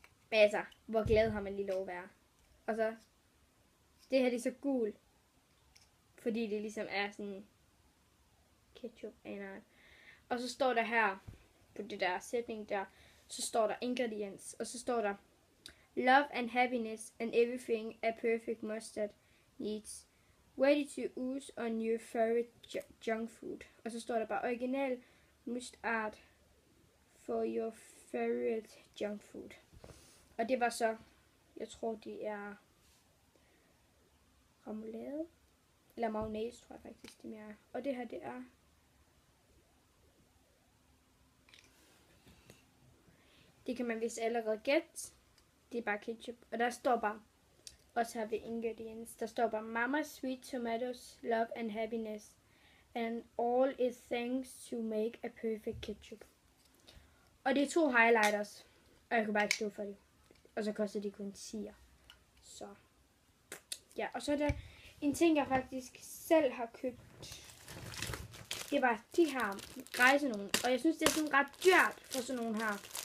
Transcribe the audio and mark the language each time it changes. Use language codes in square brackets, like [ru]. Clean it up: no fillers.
[da] Men altså, hvor glad har man lige lov at være. Og så, det her det er så gul. Fordi det ligesom er sådan, ketchup aner. Og så står der her, på det der sætning der, så står der ingredients. Og så står der, [en] love and happiness and everything a perfect mustard needs. Ready to use on your favorite junk food. [da] Og så står der bare, [en] original mustard for your favorite junk food. [da] Og det var så, jeg tror det er remoulade. Eller mayonnaise, tror jeg faktisk det mere er. Og det her det er, det kan man vist allerede gætte. Det er bare ketchup. Og der står bare, også har vi ingredients. Der står bare, [en] mama sweet tomatoes, love and happiness. And all is thanks to make a perfect ketchup. [da] Og det er to highlighters. Og jeg kunne bare ikke stå for det. Og så koster det kun 10'er. Så. Ja, og så er der en ting, jeg faktisk selv har købt. Det er bare de her rejsenogen. Og jeg synes, det er sådan ret dyrt for sådan nogle her.